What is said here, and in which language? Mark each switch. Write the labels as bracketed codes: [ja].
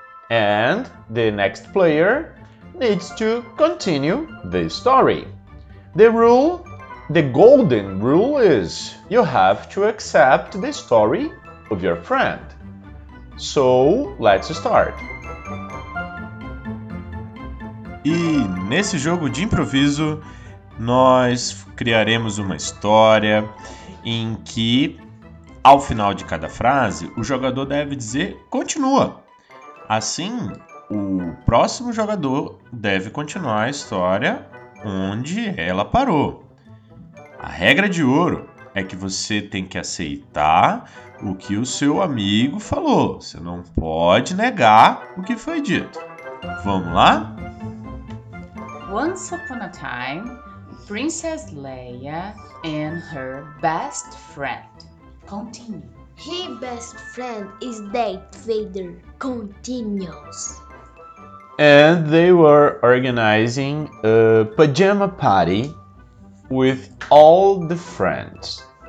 [en] And the next player needs to continue the story. The rule, the golden rule is you have to accept the story of your friend. So, let's start. [pt] E nesse jogo de improviso, nós criaremos uma história em que, ao final de cada frase, o jogador deve dizer continua. Assim, o próximo jogador deve continuar a história onde ela parou. A regra de ouro é que você tem que aceitar o que o seu amigo falou. Você não pode negar o que foi dito. Vamos lá? [en] Once upon a time, Princess Leia and her best friend. Continue. Her best friend is Darth Vader. Continues. And they were organizing a pajama party with all the friends.